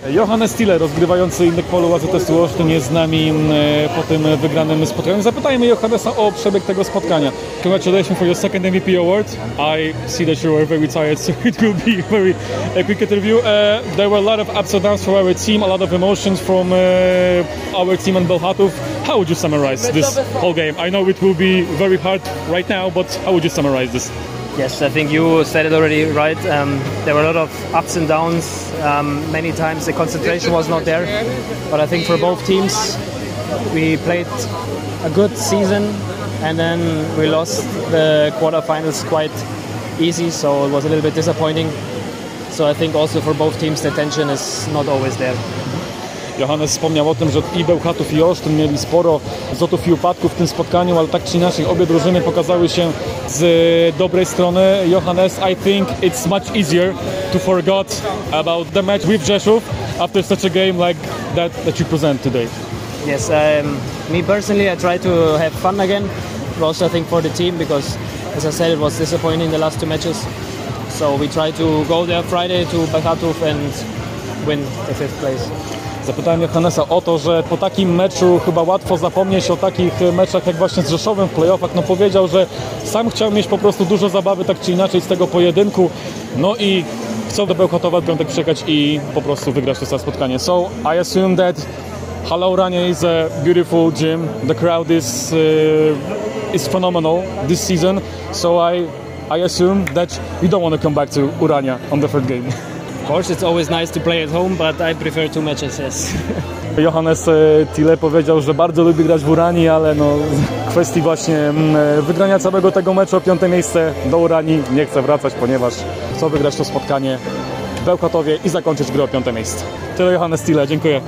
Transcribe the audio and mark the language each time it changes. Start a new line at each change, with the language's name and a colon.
Polish: Johannes Thiele, rozgrywający Interpolu AZS-u Olsztyn, jest z nami po tym wygranym spotkaniu. Zapytajmy Johannesa o przebieg tego spotkania.
English: Congratulations for your second MVP award. I see that you are very tired, so it will be a very quick interview. There were a lot of ups and downs for our team, a lot of emotions from our team and Bełchatów. How would you summarize this whole game? I know it will be very hard right now, but how would you summarize this? Yes, I think you said it already right. There were a lot of ups and downs. Many times the concentration was not there. But I think for both teams, we played a good season and then we lost the quarterfinals quite easy. So it was a little bit disappointing. So I think also for both teams, the tension is not always there.
Polish: Johannes wspomniał o tym, że i Bełchatów, i Olsztyn mieli sporo zlotów i upadków w tym spotkaniu, ale tak czy inaczej obie drużyny pokazały się z dobrej strony.
English: Johannes, I think it's much easier to forget about the match with Rzeszów after such a game like that you present today. Yes, me personally, I try to have fun again, but also I think for the team, because as I said, it was disappointing the last two matches. So we try to go there Friday to Bełchatów and win the fifth place.
Polish: Zapytałem Johannesa o to, że po takim meczu chyba łatwo zapomnieć o takich meczach jak właśnie z Rzeszowem w playoffach. No powiedział, że sam chciał mieć po prostu dużo zabawy tak czy inaczej z tego pojedynku. No i chcą do Bełchatowa w piątek przyjechać i po prostu wygrać to spotkanie.
English: So I assume that Hala Urania is a beautiful gym. The crowd is phenomenal this season. So I assume that you don't want to come back to Urania on the third game. Of course, it's always nice to play at home, but I prefer two matches, yes.
Polish: Johannes Thiele powiedział, że bardzo lubi grać w Urani, ale no w kwestii właśnie wygrania całego tego meczu o piąte miejsce do Urani nie chce wracać, ponieważ chce wygrać to spotkanie w Bełchatowie i zakończyć grę o piąte miejsce. Tyle Johannes Thiele, dziękuję.